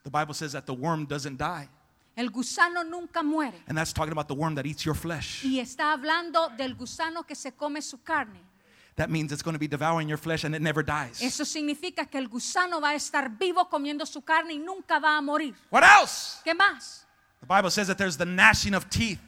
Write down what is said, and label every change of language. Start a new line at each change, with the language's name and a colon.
English: The Bible says that the worm doesn't die.
Spanish: El gusano nunca muere.
English: And that's talking about the worm that eats your flesh.
Spanish: Y está hablando del gusano que se come su carne.
English: That means it's going to be devouring your flesh and it never dies.
Spanish: Eso significa que el gusano va a estar vivo comiendo su carne y nunca va a morir.
English: What else?
Spanish: ¿Qué más?
English: The Bible says that there's the gnashing of teeth.